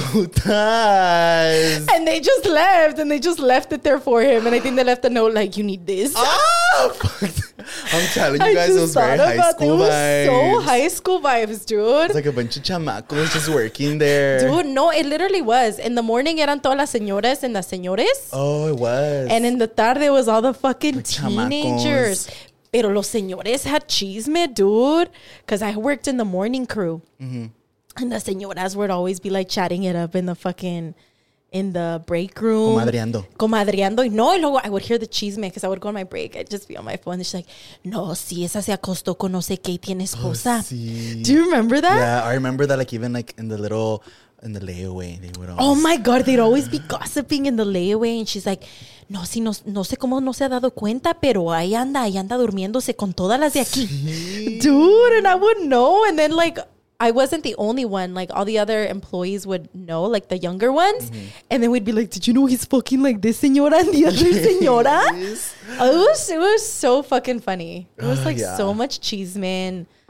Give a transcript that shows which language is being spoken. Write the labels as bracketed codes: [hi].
[es] Putas. [en] And they just left it there for him. And I think they left a note like, you need this. Oh, I'm telling you guys, it was very high school vibes. So high school vibes, dude. It's like a bunch of chamacos just working there. Dude, no, it literally was. In the morning, [es] eran todas las señoras [en] and [es] las señores. [en] Oh, it was. And in the tarde, it was all the fucking teenagers. [es] Pero los señores [en] had chisme, dude. Because I worked in the morning crew. Mm-hmm. And the señoras would always be like chatting it up in the fucking, in the break room. [es] Comadreando. Comadreando. No, y luego [en] I would hear the chisme because I would go on my break. I'd just be on my phone. And she's like, [es] no, si esa se acostó con no sé qué, tiene esposa. Oh, sí. [en] Do you remember that? Yeah, I remember that, like, even like in the little, in the layaway. They would always, oh my God, they'd always be gossiping in the layaway. And she's like, [es] no, si no sé cómo no se ha dado cuenta, pero ahí anda durmiéndose con todas las de aquí. Sí. [en] Dude, and I wouldn't know. And then, like, I wasn't the only one. Like, all the other employees would know, like, the younger ones. Mm-hmm. And then we'd be like, did you know he's fucking like this señora and the other señora? It was so fucking funny. It was, like, so much cheese, man.